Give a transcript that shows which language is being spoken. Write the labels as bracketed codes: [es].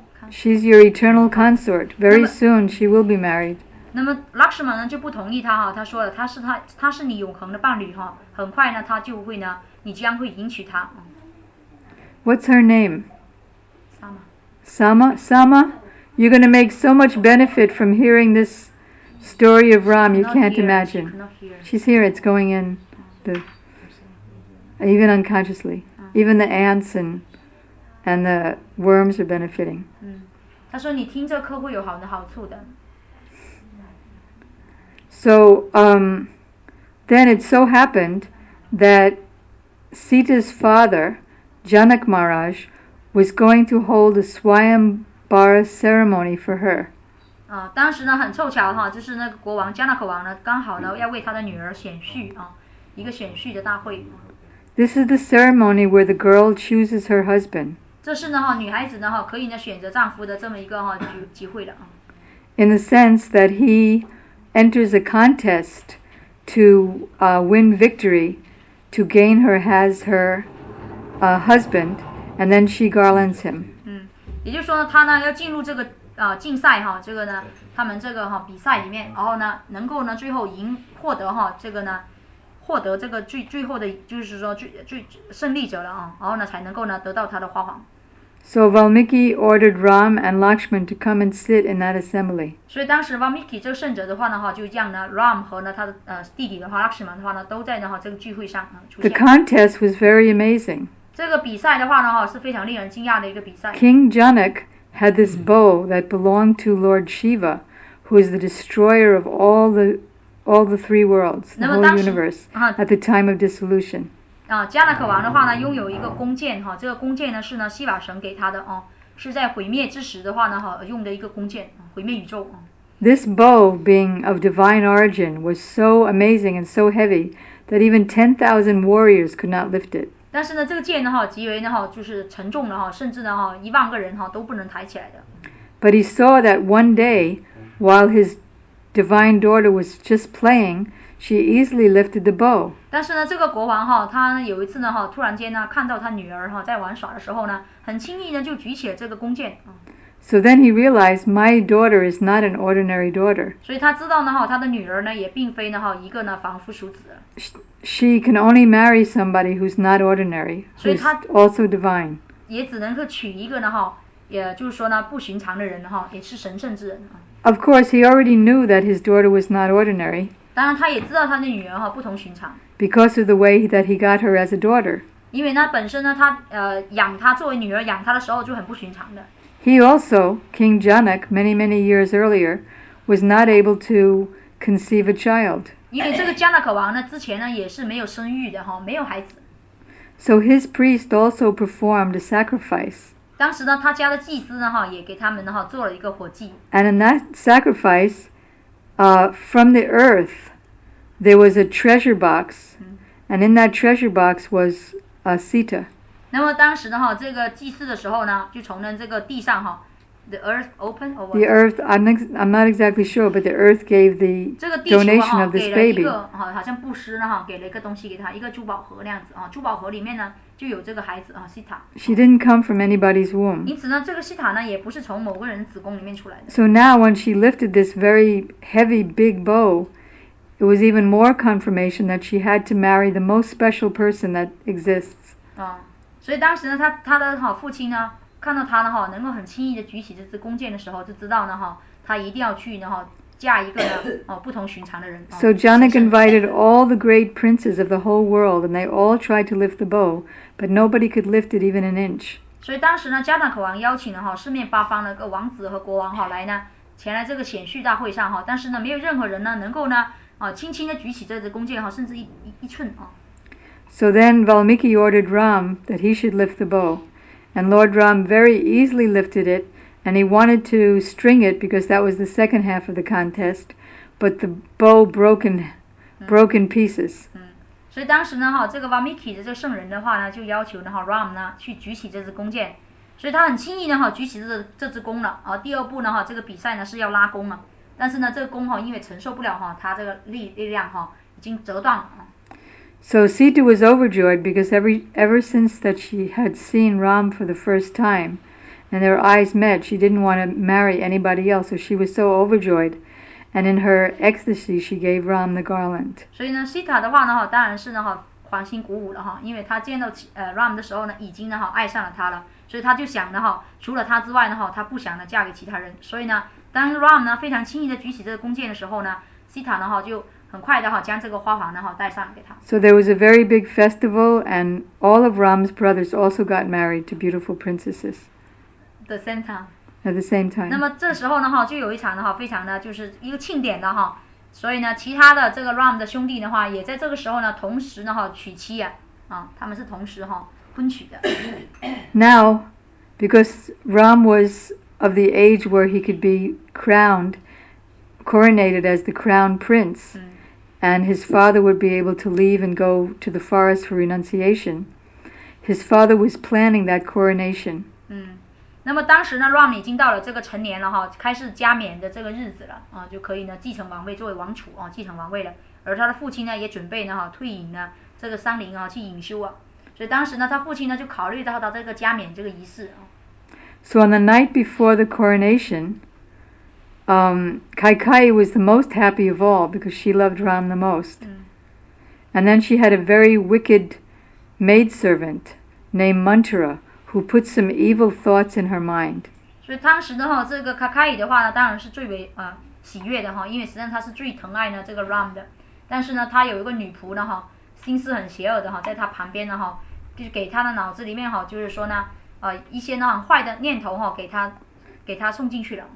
[en] She's your eternal consort. Very soon she will be married. [zh] 那么 Lakshman 呢就不同意他哈，他说了他是你永恒的伴侣哈，很快呢他就会呢，你将会迎娶他。 [en] What's her name? Sama. Sama, you're going to make so much benefit from hearing this story of Ram. You can't imagine. She's here. It's going in. Even unconsciously, even the ants and the worms are benefiting. [zh] 他说你听这课会有好的好处的。 [en] So then it so happened that Sita's father, Janak Maharaj, was going to hold a Swayambhara ceremony for her. [zh] 啊，当时呢很凑巧哈，就是那个国王 Janak 王呢，刚好呢要为他的女儿选婿啊。一个选婿的大会。 [en] This is the ceremony where the girl chooses her husband. [zh] 这是呢哈，女孩子呢哈可以呢选择丈夫的这么一个哈机会了。 [en] In the sense that he enters a contest to win victory, to gain her as her husband, and then she garlands him. [zh] 也就是说呢，他呢要进入这个竞赛哈，这个呢他们这个哈比赛里面，然后呢能够呢最后赢获得哈这个呢。获得这个最后的就是说最胜利者了啊，然后呢才能够呢得到他的花环。 [en] So Valmiki ordered Ram and Lakshman to come and sit in that assembly. [zh] 所以当时 Valmiki 这个圣者的话呢，哈，就让呢 Ram 和呢他的弟弟的话 Lakshman 的话呢，都在呢哈这个聚会上出现。 [en] The contest was very amazing. [zh] 这个比赛的话呢，哈，是非常令人惊讶的一个比赛。 [en] King Janak had this bow that belonged to Lord Shiva, who is the destroyer of all the three worlds, the whole universe, at the time of dissolution. [zh] 迦那克王的话呢拥有一个弓箭、啊、这个弓箭呢是呢希瓦神给他的、啊、是在毁灭之时的话呢、啊、用的一个弓箭、啊、毁灭宇宙、啊、 [en] This bow being of divine origin was so amazing and so heavy that even 10,000 warriors could not lift it. [zh] 但是呢这个箭呢极为呢就是沉重的甚至呢一万个人都不能抬起来的。 [en] But he saw that one day while his divine daughter was just playing,She easily lifted the bow. [zh] 但是呢，这个国王哈，他有一次呢哈，突然间呢，看到他女儿哈在玩耍的时候呢，很轻易呢就举起了这个弓箭。 [en] So then he realized my daughter is not an ordinary daughter. [zh] 所以他知道呢哈，他的女儿呢也并非呢哈一个呢凡夫俗子。 [en] She can only marry somebody who's not ordinary, who's also divine. [zh] 也只能够娶一个呢哈，也就是说呢不寻常的人哈，也是神圣之人。 [en] Of course, he already knew that his daughter was not ordinary. [zh] 当然他也知道他的女儿不同寻常。 [en] Because of the way that he got her as a daughter. [zh] 因为那本身呢他养他作为女儿养他的时候就很不寻常的。 [en] He also, King Janak, many, many years earlier, was not able to conceive a child. [zh] 因为这个迦那克王呢之前呢也是没有生育的没有孩子。 [en] So his priest also performed a sacrifice. [zh] 当时呢他家的祭司呢也给他们呢做了一个火祭。 [en] And in that sacrifice,from the earth, there was a treasure box, and in that treasure box was a Sita. [zh] 那么当时的话，这个祭祀的时候呢，就从这个地上哈 ， [en] the earth open or what? The earth, I'm not exactly sure, but the earth gave the donation of this baby. [zh] 这个地球哈，给了一个哈，好像布施呢哈，给了一个东西给他，一个珠宝盒那样子啊，珠宝盒里面呢就有这个孩子啊 ，Sita. [en] She didn't come from anybody's womb. [zh] 因此呢，这个 Sita 呢也不是从某个人子宫里面出来的。 [en] So now when she lifted this very heavy big bow, it was even more confirmation that she had to marry the most special person that exists. [zh] 所以当时呢，他的哈父亲呢看到他呢哈能够很轻易的举起这支弓箭的时候，就知道呢哈他一定要去呢哈嫁一个呢不同寻常的人。 [en] So Janak invited all the great princes of the whole world, and they all tried to lift the bow, but nobody could lift it even an inch. [zh] 所以当时呢，迦那克王邀请了哈四面八方的个王子和国王哈来呢前来这个显序大会上哈，但是呢没有任何人呢能够呢轻轻的举起这支弓箭哈，甚至一寸啊。 [en] So then Valmiki ordered Ram that he should lift the bow, and Lord Ram very easily lifted it, and he wanted to string it because that was the second half of the contest, but the bow broke in pieces. [zh] 所以当时呢，这个 Valmiki 的这个圣人的话呢，就要求呢，Ram 呢去举起这支弓箭，所以他很轻易呢，举起这支弓了。第二步呢，这个比赛呢是要拉弓了，但是呢，这个弓因为承受不了他这个力量已经折断了。 [en] So Sita was overjoyed because ever since that she had seen Ram for the first time and their eyes met, she didn't want to marry anybody else. So she was so overjoyed. And in her ecstasy, she gave Ram the garland. [zh] 所以呢 ,Sita 的话呢当然是呢欢欣鼓舞了因为她见到Ram 的时候呢已经呢爱上了他了。所以她就想呢除了他之外呢她不想呢嫁给其他人。所以呢当 Ram 呢非常轻易的举起这个弓箭的时候呢 ,Sita 呢就很快的将这个花环带上给他。 [en] So there was a very big festival, and all of Ram's brothers also got married to beautiful princesses. The same time. At the same time. [zh] 那么这时候呢就有一场非常的就是一个庆典的所以呢其他的这个 Ram 的兄弟的话也在这个时候呢同时呢娶妻啊，他们是同时婚娶的。 [en] Now, because Ram was of the age where he could be coronated as the crown prince, and his father would be able to leave and go to the forest for renunciation. His father was planning that coronation. [zh] 那么当时呢 ，Ram 已经到了这个成年了开始加冕的这个日子了就可以呢继承王位，作为王储继承王位了。而他的父亲呢，也准备呢退隐呢这个山林去隐修啊。所以当时呢，他父亲呢就考虑到他这个加冕这个仪式啊。 [en] So on the night before the coronation. Kaikai was the most happy of all because she loved Ram the most. And then she had a very wicked maidservant named Mantara, who put some evil thoughts in her mind. [zh] 所以当时呢，这个卡卡伊的话呢，当然是最为喜悦的哈，因为实际上他是最疼爱呢这个 Ram 的。但是呢，他有一个女仆呢哈，心思很邪恶的哈，在他旁边呢哈，就是给他的脑子里面哈，就是说呢，一些呢很坏的念头哈，给他送进去了。